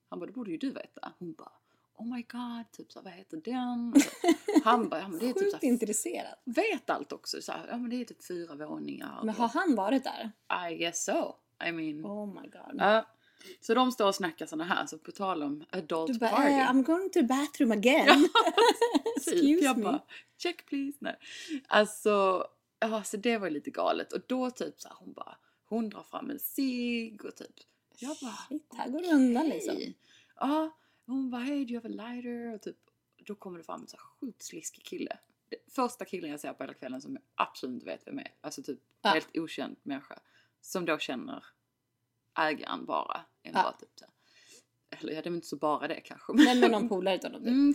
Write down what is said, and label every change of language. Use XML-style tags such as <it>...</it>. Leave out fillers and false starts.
<sv>Han bara, det borde ju du veta. Hon bara,</sv> <en>oh my god,</en> <sv>typ så vad heter den? Han bara, ja, men det är typ så här, intresserad. Vet allt också, så här, ja men det är typ 4 våningar. Men har han varit där?</sv> <en>I guess so, I mean. Oh my god.</en> <sv>Så de står och snackar sådana här, så på tal om</sv> <en>adult party.</en> <sv>Du bara,</sv> <en>I'm going to the bathroom again. Excuse</en> <sv>jag me. Bara,</sv> <en>check please.</en> <sv>Nej. Alltså, det var lite galet. Och då typ så här, hon bara, hon drar fram en cig och typ. Jag bara, shit, här går det undan liksom. Ja, hon bara,</sv> <en>hey, do you have a lighter?</en> <sv>Och typ, då kommer det fram en så här sjukt sliskig kille. Det första killen jag ser på hela kvällen som jag absolut inte vet vem är. Alltså typ, ja. Helt okänd människa. Som då känner... ägaren bara. Ja. Bara typ, eller jag hade inte så bara det kanske. Men med någon polare utan dem.</sv>